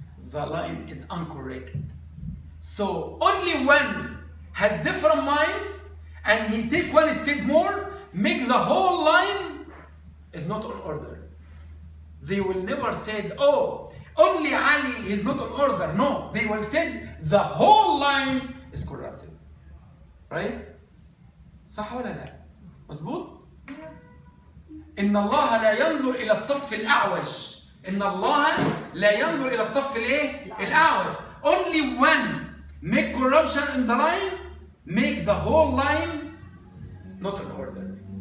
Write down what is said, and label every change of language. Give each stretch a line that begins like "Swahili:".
English: The line is incorrect. So only when has different mind and he take one step more, make the whole line is not in order. They will never say, oh, only Ali is not in order. No, they will say the whole line is corrupted. Right?
Arabic: صح ولا لا؟ مزبوط؟ إن الله لا ينظر إلى الصف الأعوج. إن الله لا ينظر إلى الصف الإيه؟ الأعوج.
English: Only one make corruption in the line, make the whole line not in order.